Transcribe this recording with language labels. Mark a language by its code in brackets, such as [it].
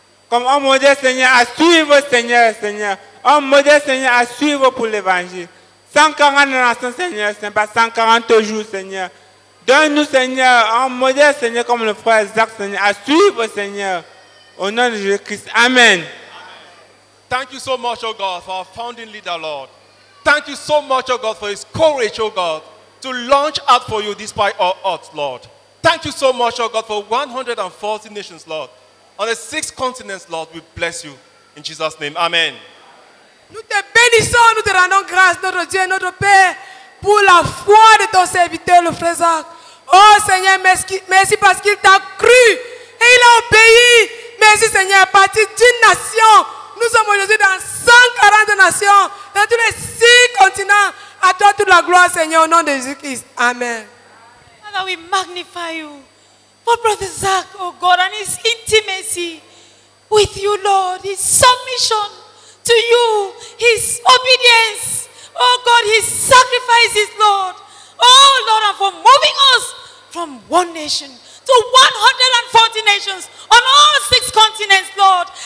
[fr] Comme un modèle, Seigneur, à suivre, Seigneur, Seigneur. Un modèle, Seigneur, à suivre pour l'évangile. 140 nations, Seigneur, ce n'est pas 140 jours, Seigneur. Donne-nous, Seigneur, un modèle, Seigneur, comme le frère Zach, Seigneur, à suivre, Seigneur, au nom de Jésus-Christ. Amen. [en] Thank you so much, O God, for our founding leader, Lord. Thank you so much, O God, for his courage, O God, to launch out for you despite all odds, Lord. Thank you so much, O God, for 140 nations, Lord. On the 6 continents, Lord, we bless you. In Jesus' name, amen. [fr] Nous te bénissons, nous te rendons grâce, notre Dieu, notre Père, pour la foi de ton serviteur, le frère Zach. Oh, Seigneur, merci parce qu'il t'a cru et il a obéi. Merci, Seigneur, à partir d'une nation. Nous sommes aujourd'hui dans 140 nations, dans tous les 6 continents. À toi toute la gloire, Seigneur, au nom de Jésus-Christ. Amen. [en] Father, we magnify you for Brother Zach, oh God, and his intimacy with you, Lord, his submission to you, his obedience, oh God, his sacrifices, Lord. Oh Lord, and for moving us from one nation to 140 nations on all six continents, Lord.